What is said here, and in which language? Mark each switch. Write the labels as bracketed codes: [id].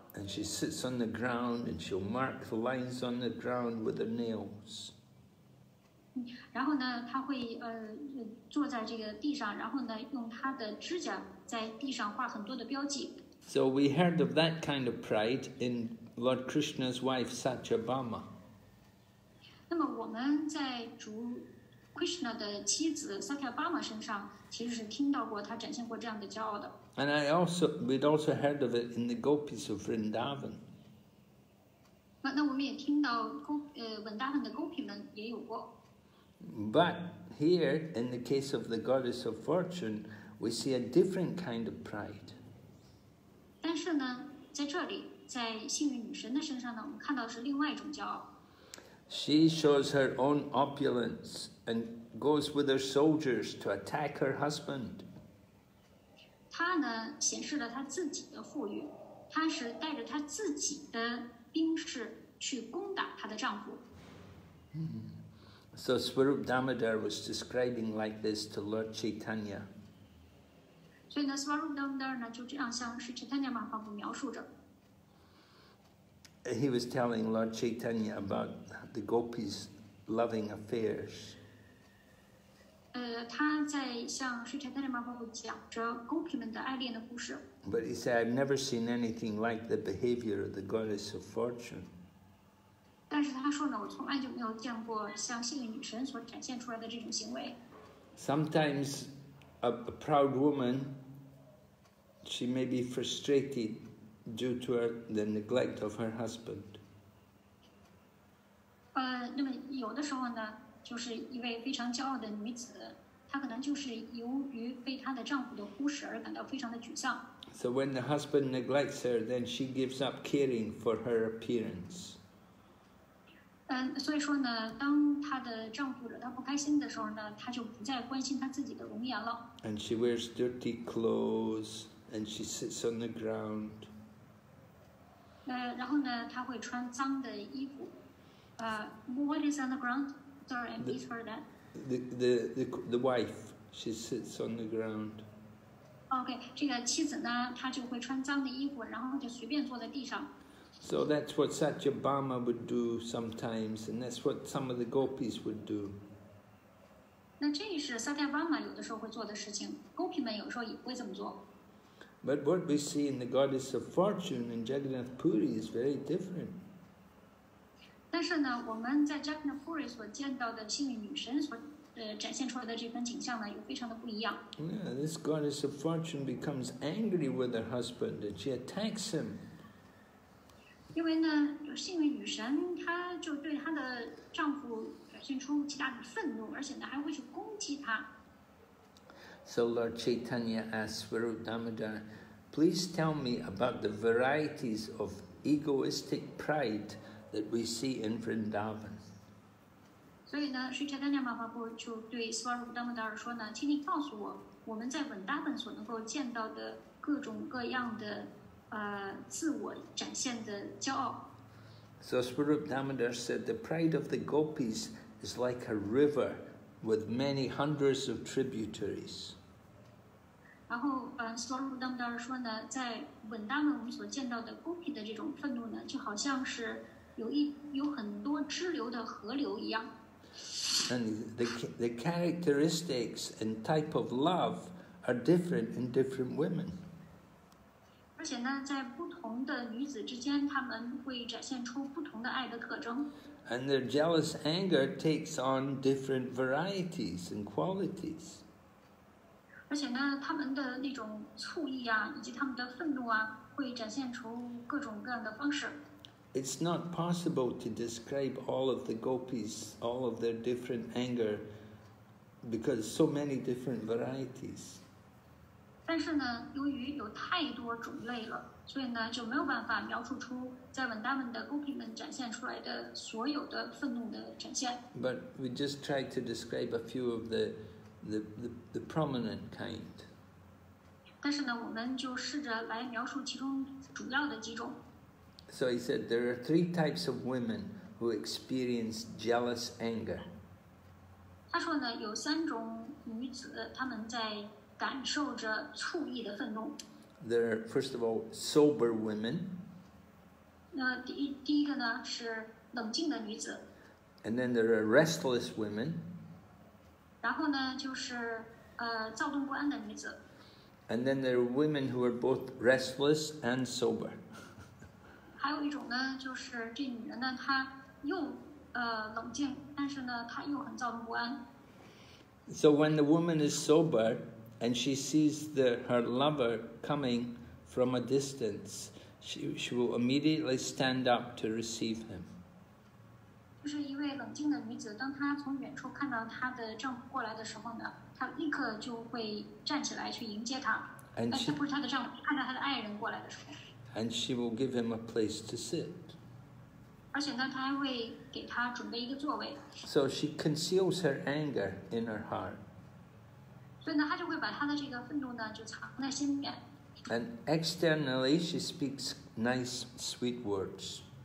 [en] And she sits on the ground and she'll mark the lines on the ground with her nails. [zh] 然后呢，她会坐在这个地上，然后呢用她的指甲在地上画很多的标记。 [en] So we heard of that kind of pride in Lord Krishna's wife Satyabhama. [zh] 那么我们在主 Krishna 的妻子 Satyabhama 身上，其实是听到过他展现过这样的骄傲的。 [en] And I also we'd also heard of it in the gopis of Vrindavan. [zh] 那我们也听到Vrindavan 的 gopi 们也有过。 [en] But here, in the case of the goddess of fortune, we see a different kind of pride. [zh] 但是呢，在这里，在幸运女神的身上呢，我们看到是另外一种骄傲。 [en] She shows her own opulence and goes with her soldiers to attack her husband. [zh] 她呢，显示了她自己的富裕，她是带着她自己的兵士去攻打她的丈夫。 [en] So Swarup Damodar was describing like this to Lord Chaitanya. [zh] 所以呢 ，Swarup Damodar 呢就这样向 Sri Chaitanya Mahaprabhu 描述着。 [en] He was telling Lord Chaitanya about the gopis' loving affairs. [zh] 他在向 Sri Chaitanya Mahaprabhu 讲着 gopis 们的爱恋的故事。 [en] But he said, "I've never seen anything like the behavior of the goddess of fortune." [zh] 但是他说呢，我从来就没有见过像幸运女神所展现出来的这种行为。 [en] Sometimes. A proud woman, she may be frustrated due to the neglect of her husband. [zh] 那么有的时候呢，就是一位非常骄傲的女子，她可能就是由于被她的丈夫的忽视而感到非常的沮丧。 [en] So when the husband neglects her, then she gives up caring for her appearance. [zh] 所以说呢，当她的丈夫惹她不开心的时候呢，她就不再关心她自己的容颜了。 [en] And she wears dirty clothes, and she sits on the ground. [zh] 然后呢，她会穿脏的衣服。 [en] What is on the ground? Sorry, I missed her that. The wife, she sits on the ground. [zh] Okay, 这个妻子呢，她就会穿脏的衣服，然后就随便坐在地上。 [en] So that's what Satyabhama would do sometimes, and that's what some of the gopis would do. [zh] 那这是萨迦巴玛有的时候会做的事情，勾皮们有时候也会这么做。 [en] But what we see in the goddess of fortune in Jagannath Puri is very different. [zh] 但是呢，我们在 Jagannath Puri 所见到的幸运女神所展现出来的这番景象呢，又非常的不一样。 [en] Yeah, this goddess of fortune becomes angry with her husband and she attacks him. [zh] 因为呢，幸运女神她就对她的丈夫现出极大的愤怒，而且呢还会去攻击他。 [en] So Lord Chaitanya asked Swarup Damodar, "Please tell me about the varieties of egoistic pride that we see in Vrindavan." [zh] 所以呢 ，Sri Chaitanya Mahaprabhu 就对 Swarup Damodar 说呢，请你告诉我，我们在 Vrindavan 所能够见到的各种各样的自我展现的骄傲。 [en] So Swarup Damodar said, "The pride of the gopis is like a river with many hundreds of tributaries." [zh] 然后，Swarup Damodar 说呢，在文达们我们所见到的 gopi 的这种愤怒呢，就好像是有很多支流的河流一样。 [en] And the characteristics and type of love are different in different women. [zh] 而且呢，在不同的女子之间，她们会展现出不同的爱的特征。 [en] And their jealous anger takes on different varieties and qualities. [zh] 而且呢，他们的那种醋意啊，以及他们的愤怒啊，会展现出各种各样的方式。 [en] It's not possible to describe all of the gopis, all of their different anger, because so many different varieties. [zh] 但是呢，由于有太多种类了，所以呢，就没有办法描述出在文达们的 gopi 们展现出来的所有的愤怒的展现。 [en] But we just try to describe a few of the prominent kind. [zh] 但是呢，我们就试着来描述其中主要的几种。 [en] So he said, there are three types of women who experience jealous anger. [zh] 他说呢，有三种女子，她们在感受着醋意的愤怒。 [en] There are, first of all, sober women. [zh] 那第一个呢，是冷静的女子。 [en] And then there are restless women. [zh] 然后呢，就是躁动不安的女子。 [en] And then there are women who are both restless and sober. [zh] 还有一种呢，就是这女人呢，她又冷静，但是呢，她又很躁动不安。 [en] So when the woman is sober and she sees her lover coming from a distance, she will immediately stand up to receive him. [zh] 就是一位冷静的女子，当她从远处看到她的丈夫过来的时候呢，她立刻就会站起来去迎接他。不是她的丈夫，看到她的爱人过来的时候。 [en] And she will give him a place to sit. [zh] 而且呢，她还会给他准备一个座位。 [en] So she conceals her anger in her heart. [zh] 所以呢，她就会把她的这个愤怒呢，就藏在心里面。 [en] And externally, she speaks nice, sweet words.